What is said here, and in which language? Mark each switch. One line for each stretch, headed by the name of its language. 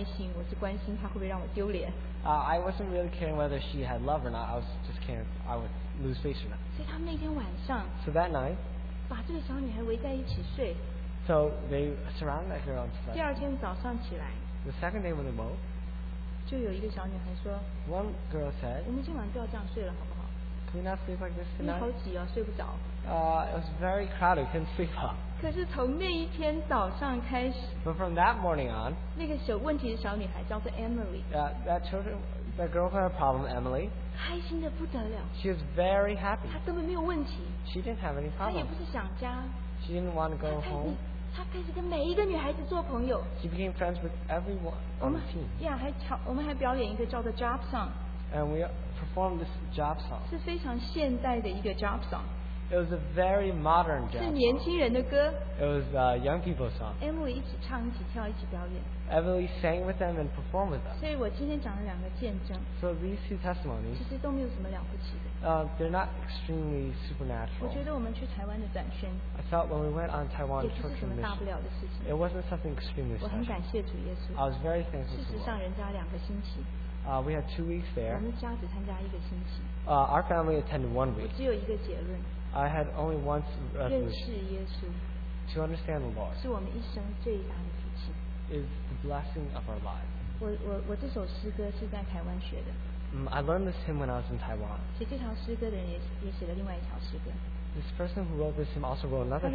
Chinese: 所以我并不是关心我的女儿有没有爱心，我是关心她会不会让我丢脸。
English: I wasn't really caring whether she had love or not. I was just caring if I would lose face or not.
Chinese: 所以他们那天晚上,
English: so that night,
Chinese: 把这个小女孩围在一起睡,
English: so they surrounded her on the bed.
Chinese: 第二天早上起来,
English: the second day when they woke,
Chinese: 就有一个小女孩说,
English: one girl said,
Chinese: 我们今晚不要这样睡了好不好?
English: Can we not sleep like this tonight?
Chinese: 你好挤哦, 睡不着。
English: It was very crowded, couldn't sleep up.
Chinese: 可是从那一天早上开始,
English: but from that morning on,
Chinese: 那个问题的小女孩叫做Emily,
English: that girl had a problem, Emily,
Chinese: 开心得不得了,
English: she was very happy.
Chinese: 她根本没有问题,
English: she didn't have any problem.
Chinese: 她也不是想家,
English: she didn't want to go home.
Chinese: 她开始跟每一个女孩子做朋友。
English: She became friends with everyone on the team.
Chinese: 我们还表演一个叫做 job song.
English: And we performed this job song.
Chinese: 是非常现代的一个 job song.
English: It was a very modern job song.
Chinese: 是年轻人的歌。
English: It was a young people's song.
Chinese: Emily一起唱一起跳一起表演。
English: Emily sang with them and performed with them.
Chinese: 所以我今天讲了两个见证。
English: So these two testimonies,
Chinese: 其实都没有什么了不起的。
English: They're not extremely supernatural.
Chinese: 我觉得我们去台湾的短宣,
English: I thought when we went on Taiwan church mission, it wasn't something extremely special.
Chinese: 我很感谢主耶稣,
English: I was very thankful.
Chinese: 事实上人家两个星期,
English: we had 2 weeks there.
Chinese: 我们家只参加一个星期,
English: our family attended 1 week.
Chinese: 我只有一个结论,
English: I had only once resolution to understand the Lord.
Chinese: 是我们一生最大的福气,
English: is the blessing of our lives.
Chinese: 我这首诗歌是在台湾学的。
English: I learned this hymn when I was in Taiwan.
Chinese: 写这条诗歌的人也写了另外一条诗歌。
English: This person who wrote this hymn also wrote another hymn.